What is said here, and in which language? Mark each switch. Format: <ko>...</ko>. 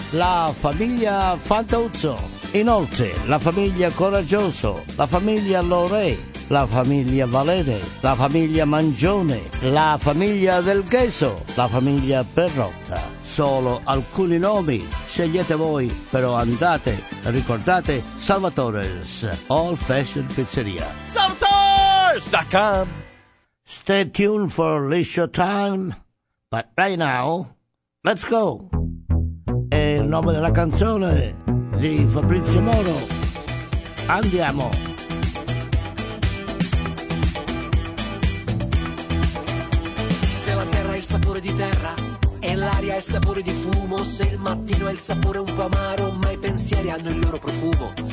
<it>La famiglia Fantauzzo. Inoltre, la famiglia Coraggioso, la famiglia Lore, la famiglia Valere, la famiglia Mangione, la famiglia Del Gheso, la famiglia Perrotta. Solo alcuni nomi, scegliete voi, però andate, ricordate, Salvatore's Old Fashioned Pizzeria.</it> <en>Salvatore's.com. Stay tuned for Leisure Time, but right now, let's go!</en> <it>È il nome della canzone di Fabrizio Moro. Andiamo! Se la terra è il sapore di terra, e l'aria è il sapore di fumo, se il mattino è il sapore un po' amaro, ma i pensieri hanno il loro profumo.</it>